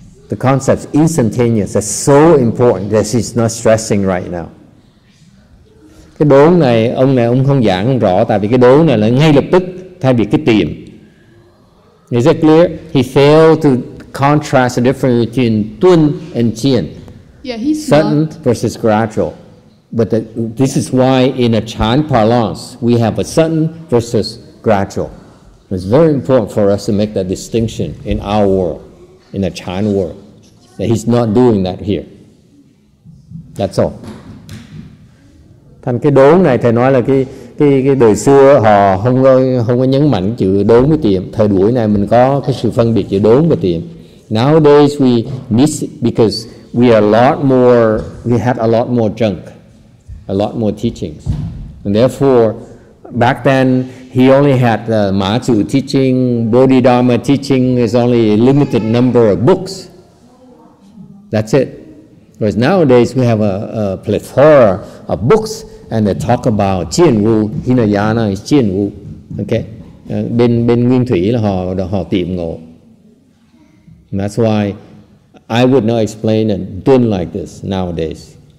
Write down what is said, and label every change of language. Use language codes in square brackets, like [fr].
[en] The concept instantaneous is so important that he's not stressing right now. [vi] Cái đốn này, ông không giảng rõ, tại vì cái đốn này là ngay lập tức thay vì cái tiệm. [en] Is it clear? He failed to contrast the difference between tun and jian. Yeah, he's sudden not. Versus gradual. But this is why in a Chan parlance, we have a sudden versus gradual. It's very important for us to make that distinction in our world, in the Chan world, that he's not doing that here. That's all. [vi] Thành cái đốn này, thầy nói là cái đời xưa họ không có nhấn mạnh chữ đốn với tiệm. Thời buổi này mình có cái sự phân biệt chữ đốn và tiệm. [en] Nowadays we miss it because we are a lot more, we had a lot more junk, a lot more teachings. And therefore, back then, he only had the Mazu teaching, Bodhidharma teaching, is only a limited number of books. That's it. Whereas nowadays, we have a plethora of books, and they talk about Jian Wu, Hinayana is Jian Wu. Okay? [vi] Bên Nguyên Thủy là họ tìm ngộ. [en] And that's why I would not explain it dun like this nowadays.